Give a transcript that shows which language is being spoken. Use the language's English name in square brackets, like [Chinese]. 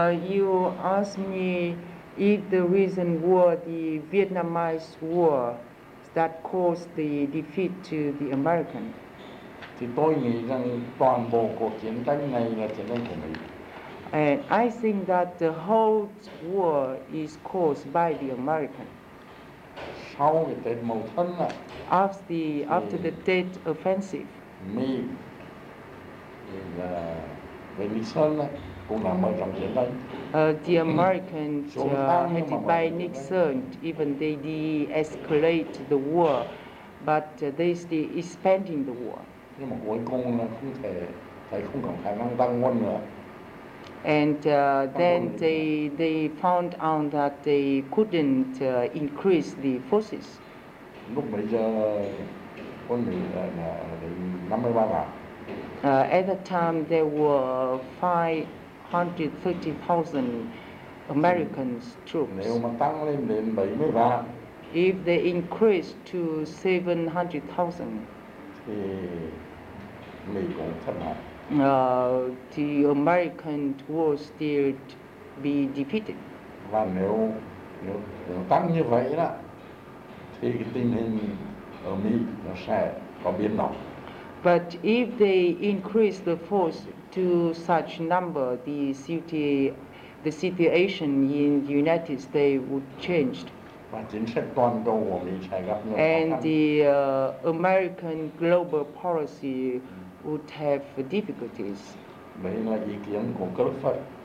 [English] You ask me if the reason were the Vietnamese war that caused the defeat to the American. [Vietnamese] Thì tôi nghĩ rằng toàn bộ cuộc chiến tranh này là chiến tranh của Mỹ. [English] And I think that the whole war is caused by the American. [Vietnamese] Sau cái Tết Mậu Thân á. [English] After the Tet Offensive. [Vietnamese] Mỹ là về Lý Sơn á cũng là mở rộng chiến tranh. [English] The Americans headed by Nixon, even they de-escalate the war, but they still expanding the war. [Vietnamese] Nhưng mà cuối cùng là không thể, thấy không còn khả năng tăng quân nữa. [English] And then they found out that they couldn't increase the forces. [Vietnamese] Lúc bây giờ quân Mỹ là 53 vạn. [English] At that time there were 530,000 American troops. [Vietnamese] Nếu mà tăng lên đến 70 vạn. [English] If they increase to 700,000. [Vietnamese] Thì Mỹ cũng thất bại. [English] The American will still be defeated. [Vietnamese] Và nếu tăng như vậy đó, thì cái tình hình ở Mỹ nó sẽ có biến động. [English] But if they increase the force to such number, the situation in the United States would change. And the American global policy would have difficulties. [Vietnamese] Đấy là ý kiến của Clifford.